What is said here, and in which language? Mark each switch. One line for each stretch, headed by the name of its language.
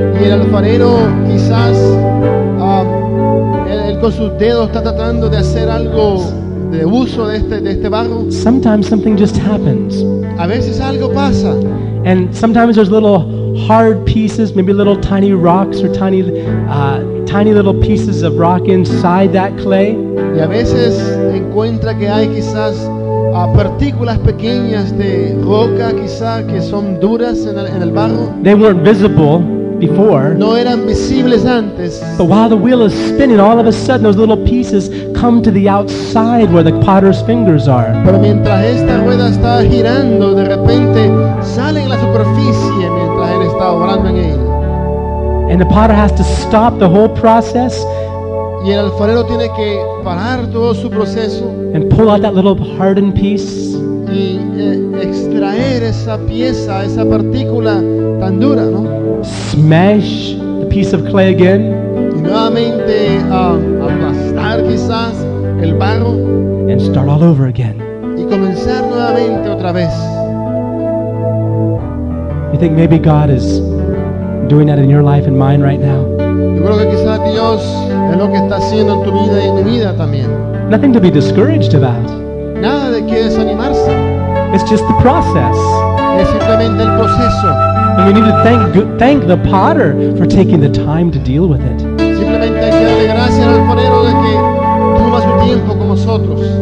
Spanish: Y el alfarero quizás él con sus dedos está tratando de hacer algo de uso de este barro.
English: Sometimes something just happens.
Spanish: A veces algo pasa.
English: And sometimes there's little hard pieces, maybe little tiny rocks or tiny tiny little pieces of rock inside that clay.
Spanish: Y a veces encuentra que hay quizás partículas pequeñas de roca quizás que son duras en el barro.
English: They weren't visible before.
Spanish: No eran visibles antes.
English: But while the wheel is spinning, all of a sudden those little pieces come to the outside where the potter's fingers are.
Spanish: Pero mientras esta rueda está girando, de repente salen a la superficie mientras él está obrando en él.
English: And the potter has to stop the whole process.
Spanish: Y el alfarero tiene que parar todo su proceso.
English: And pull out that little hardened piece.
Spanish: Y extraer esa pieza, esa partícula tan dura, ¿no?
English: Smash the piece of clay again.
Spanish: Y nuevamente aplastar quizás el barro.
English: And start all over again.
Spanish: Y comenzar nuevamente otra vez.
English: You think maybe God is doing that in your life and mine right now?
Spanish: Yo creo que quizás Dios Es lo que está haciendo en tu vida y en mi vida también.
English: Nothing to be discouraged about.
Spanish: Nada de que desanimarse.
English: It's just the process.
Spanish: Es simplemente el proceso.
English: And we need to thank the potter for taking the time to deal with it.
Spanish: Simplemente hay que darle gracias al forero de que toma su tiempo con nosotros.